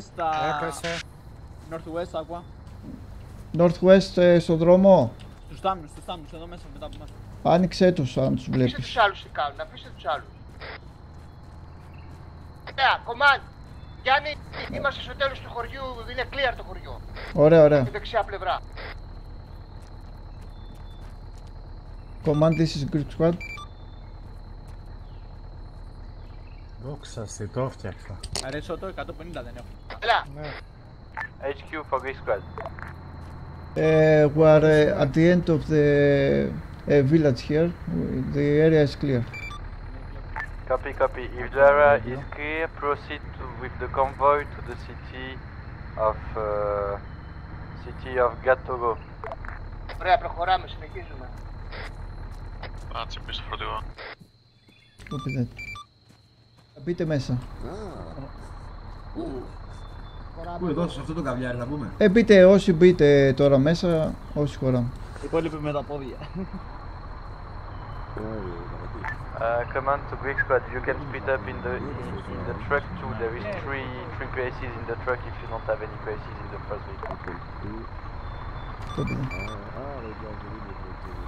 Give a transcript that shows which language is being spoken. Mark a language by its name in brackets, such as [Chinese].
[Greek] στα Northwest, άκουα. Northwest στο δρόμο. Στους θάμνους, στους θάμνους, εδώ μέσα, μετά από μας. Άνοιξε τους αν τους βλέπεις. Αφήστε τους άλλους τι κάνουν, αφήστε τους άλλους. Ωραία, κομμάτ. Γιάννη, είμαστε στο τέλος του χωριού, είναι clear το χωριό. Ωραία, ωραία. Στην δεξιά πλευρά. [English] Κομμάτ, this is group squad. [Greek] Δόξα σε, το έφτιαξα. Αρέ Σότο, 150 δεν έχω. Έλα! [English] Ναι. HQ for this squad. We are at the end of the village here. The area is clear. Copy, copy. If the area is clear, proceed to, with the convoy to the city of Gatogo. [Greek] Ωραία, προχωράμε, συνεχίζουμε. Να τσιμπήσω φορτηγό. [English] Copy that. [Greek] Μπείτε μέσα. Πού εδώ, σε αυτό το καβιάρι θα πούμε. Ε, μπείτε όσοι μπείτε τώρα μέσα, όσοι χωράμε. Υπόλοιποι με τα πόδια. [English] Command to Greek squad, you can speed up in the truck too. There is three places in the truck if you don't have any places in the first vehicle.